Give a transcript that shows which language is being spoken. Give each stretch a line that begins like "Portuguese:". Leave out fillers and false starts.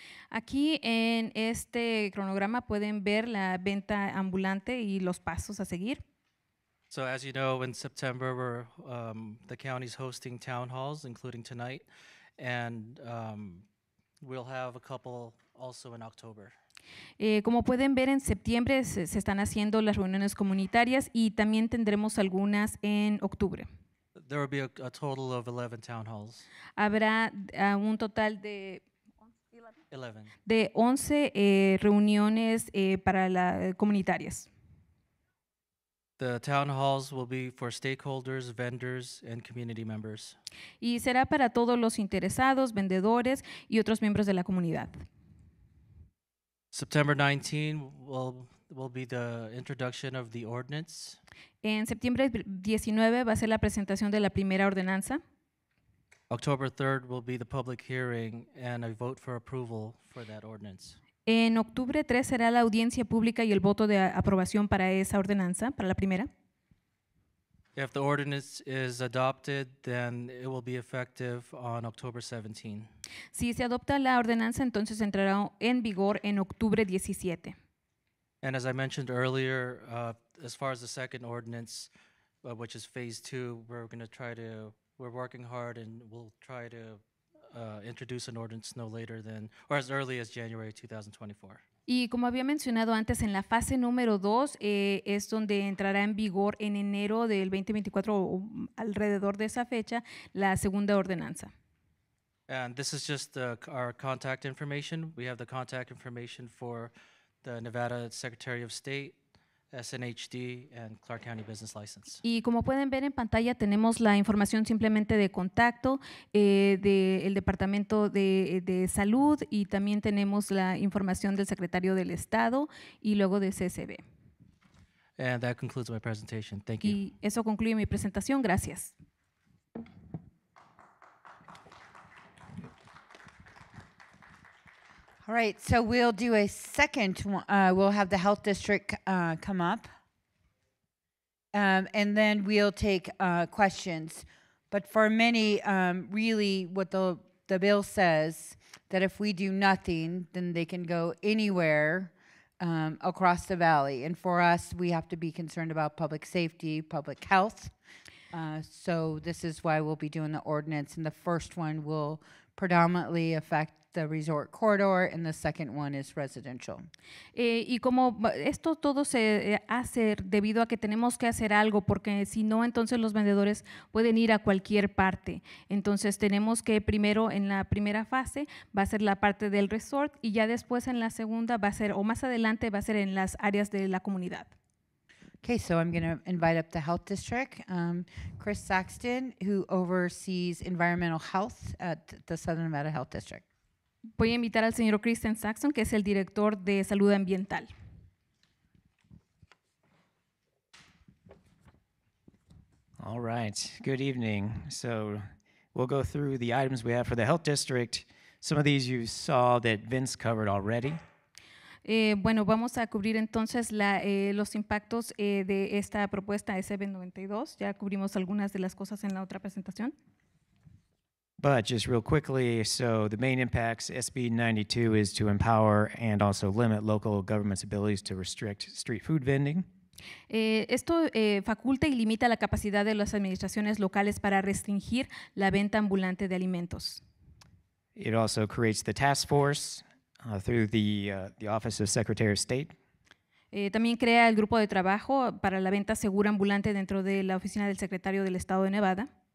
Spanish: Aquí en este cronograma pueden ver la venta ambulante y los pasos a seguir.
English: So as you know, in September, the county's hosting town halls, including tonight, and we'll have a couple also in October.
Spanish: Como pueden ver, en septiembre se están haciendo las reuniones comunitarias y también tendremos algunas en octubre.
English: There will be a total of 11 town halls.
Spanish: Habrá un total de 11. De 11 reuniones para las comunitarias.
English: The town halls will be for stakeholders, vendors, and community members.
Spanish: Y será para todos los interesados, vendedores, y otros miembros de la comunidad.
English: September 19 will be the introduction of the ordinance.
Spanish: En septiembre 19 va a ser la presentación de la primera ordenanza.
English: October 3 will be the public hearing and a vote for approval for that ordinance.
Spanish: En octubre 3 será la audiencia pública y el voto de aprobación para esa ordenanza, para la primera.
English: If the ordinance is adopted, then it will be effective on October 17.
Spanish: Si se adopta la ordenanza, entonces entrará en vigor en octubre 17.
English: And as I mentioned earlier, as far as the second ordinance, which is phase 2, we're working hard and we'll try to introduce an ordinance no later than or as early as January 2024.
Spanish: Y como había mencionado antes, en la fase número 2 es donde entrará en vigor en enero del 2024 o alrededor de esa fecha la segunda ordenanza.
English: And this is just our contact information. We have the contact information for the Nevada Secretary of State SNHD and Clark County business license.
Spanish: Y como pueden ver en pantalla tenemos la información simplemente de contacto del departamento de salud y también tenemos la información del secretario del estado y luego de CCB.
English: And that concludes my presentation. Thank you.
Spanish: Y eso concluye mi presentación. Gracias.
English: All right, so we'll do a second one. We'll have the health district come up. And then we'll take questions. But for many, really what the bill says, that if we do nothing, then they can go anywhere across the valley. And for us, we have to be concerned about public safety, public health. So this is why we'll be doing the ordinance. And the first one will predominantly affect the resort corridor, and the second one is residential.
Spanish: Y como esto todo se hace debido a que tenemos que hacer algo, porque si no, entonces los vendedores pueden ir a cualquier parte. Entonces tenemos que primero, en la primera fase, va a ser la parte del resort, y ya después en la segunda va a ser, o más adelante va a ser en las áreas de la comunidad.
English: Okay, so I'm going to invite up the health district, Chris Saxton, who oversees environmental health at the Southern Nevada Health District.
Spanish: Voy a invitar al señor Kristen Saxon, que es el director de salud ambiental.
English: All right, good evening. So we'll go through the items we have for the health district. Some of these you saw that Vince covered already.
Spanish: Bueno, vamos a cubrir entonces los impactos de esta propuesta SB92. Ya cubrimos algunas de las cosas en la otra presentación.
English: But just real quickly, so the main impacts, SB 92 is to empower and also limit local government's abilities to restrict street food vending.
Spanish: Esto faculta y limita la capacidad de las administraciones locales para restringir la venta ambulante de alimentos.
English: It also creates the task force through the Office of Secretary of State.
Spanish: También crea el grupo de trabajo para la venta segura ambulante dentro de la oficina del secretario del estado de Nevada.